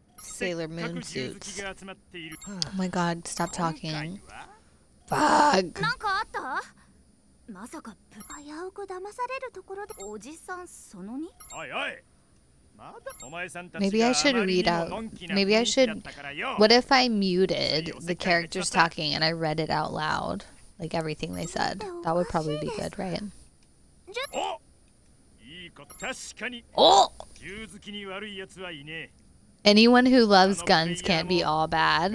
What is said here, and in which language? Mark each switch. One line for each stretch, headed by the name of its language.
English: Sailor Moon suits. Oh my god, stop talking. Fuck!
Japanese: なんかあった? まさか、危うく騙されるところで、おじさんその2? おいおい!まだ、お前さんたちがあまりにものんきな雰囲気だったからよ。
English: What if I muted the characters talking and I read it out loud? Like everything they said. That would probably be good, right?
Japanese: お!いいこと、確かに。お! 銃好きに悪い奴はいねえ。
English: Anyone who loves guns can't be all bad.